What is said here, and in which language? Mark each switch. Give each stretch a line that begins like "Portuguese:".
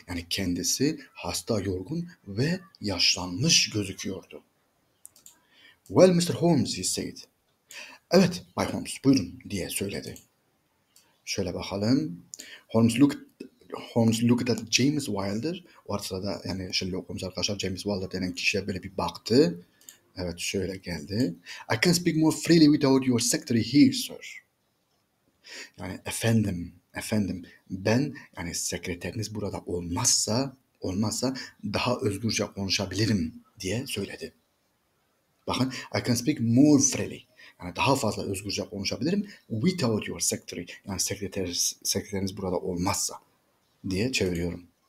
Turkish: Yani kendisi hasta, yorgun ve yaşlanmış gözüküyordu.
English: Well, Mr. Holmes, he said.
Turkish: Evet, Bay Holmes, buyurun diye söyledi. Şöyle bakalım.
English: Holmes looked at James Wilder.
Turkish: O arada yani Sherlock Holmes arkadaşlar James Wilder denen kişiye böyle bir baktı. Evet, şöyle geldi.
English: I can speak more freely without your secretary here, sir.
Turkish: Yani efendim, ben yani sekreteriniz burada olmazsa daha özgürce konuşabilirim diye söyledi. Bakın,
English: I can speak more freely.
Turkish: Yani daha fazla özgürce konuşabilirim.
English: Without your secretary.
Turkish: Yani sekreteriniz burada olmazsa diye çeviriyorum.